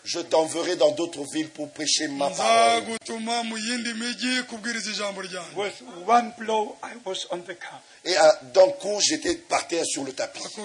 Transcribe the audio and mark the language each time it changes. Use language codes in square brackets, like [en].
[fr] Je t'enverrai dans d'autres villes pour prêcher ma parole. [en] With one blow, I was on the camp. [fr] Et d'un coup, j'étais par terre sur le tapis.